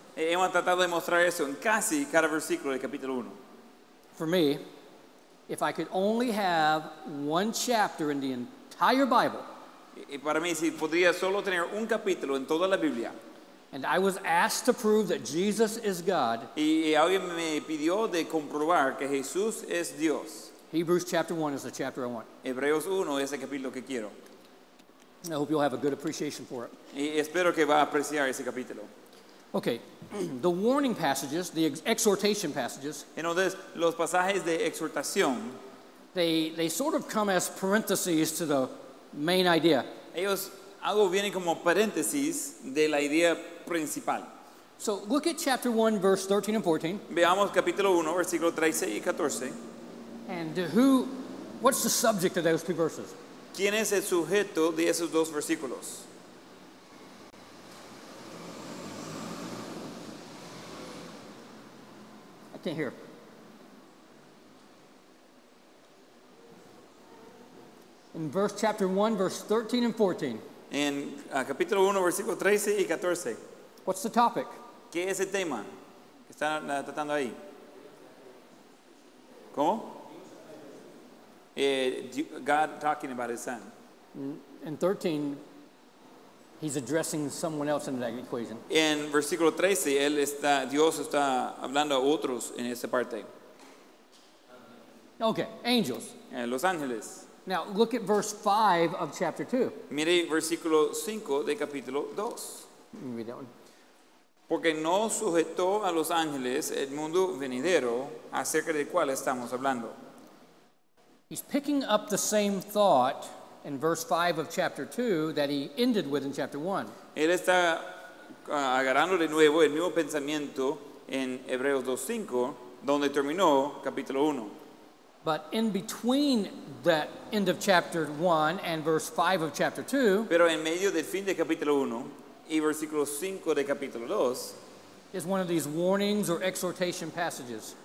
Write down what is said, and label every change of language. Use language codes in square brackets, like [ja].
[es] Hemos tratado de mostrar eso en casi cada versículo de capítulo 1. [en] For me, if I could only have one chapter in the entire Bible, [es] y para mí, si podría solo tener un capítulo en toda la Biblia, [en] and I was asked to prove that Jesus is God, [es] y alguien me pidió de comprobar que Jesús es Dios, [en] Hebrews chapter 1 is the chapter I want. [es] Hebreos 1 es el capítulo que quiero. [en] I hope you'll have a good appreciation for it. [es] Y espero que va a apreciar ese capítulo. [en] Okay, the warning passages, the exhortation passages. [es] Entonces, los pasajes de exhortación. [en] They sort of come as parentheses to the main idea. [es] Ellos algo vienen como paréntesis de la idea principal. [en] So look at chapter 1, verse 13 and 14. [es] Veamos capítulo 1, versículo 13 y 14. [en] And what's the subject of those two verses? [es] ¿Quién es el sujeto de esos dos versículos? [en] Can't hear. In verse chapter 1, verse 13 and 14. [es] En capítulo 1, versículo 13 y 14. [en] What's the topic? [es] ¿Qué es el tema que están tratando ahí? ¿Cómo? [en] God talking about his son. In 13, he's addressing someone else in that equation. [es] En versículo 13, él está, Dios está hablando a otros en esa parte. [en] Okay, angels. [es] Los ángeles. [en] Now, look at verse 5 of chapter 2. [es] Mire versículo 5 de capítulo 2. [en] Let me read that one. [es] Porque no sujetó a los ángeles el mundo venidero acerca del cual estamos hablando. [en] He's picking up the same thought in verse 5 of chapter 2 that he ended with in chapter 1. [es] Él está agarrando de nuevo el mismo pensamiento en Hebreos 2:5, donde terminó capítulo 1. [en] But in between that end of chapter 1 and verse 5 of chapter 2, [es] pero en medio del fin de capítulo 1 y versículo 5 de capítulo 2, [en] is one of these warnings or exhortation passages.